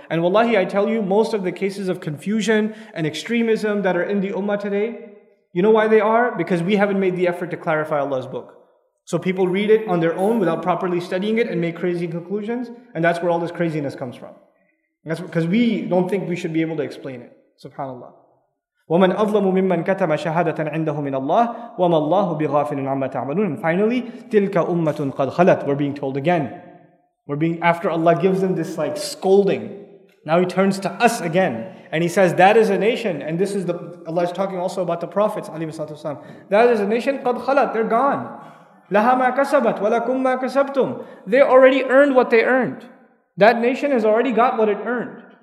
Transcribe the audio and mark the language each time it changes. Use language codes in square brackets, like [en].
[en] And wallahi, I tell you, most of the cases of confusion and extremism that are in the ummah today, you know why they are? Because we haven't made the effort to clarify Allah's book. So people read it on their own without properly studying it and make crazy conclusions. And that's where all this craziness comes from. That's because we don't think we should be able to explain it. SubhanAllah. [ar] وَمَنْ أَظْلَمُ مِمَّنْ كَتَمَ شَهَادَةً عِنْدَهُ مِنَ اللَّهِ وَمَا اللَّهُ بِغَافِلٍ عَمَّا تَعْمَلُونَ [en] And finally, [ar] تِلْكَ أُمَّةٌ قَدْ خَلَتْ [en] We're being told again. After Allah gives them this like scolding, now He turns to us again. And He says, that is a nation. And this is Allah is talking also about the prophets, alayhi salatu wasalam. That is a nation, [ar] قَدْ خَلَتْ [en] They're gone. [ar] لَهَا مَا كَسَبَتْ وَلَكُمْ مَا كَسَبْتُمْ [en] They already earned what they earned. That nation has already got what it earned.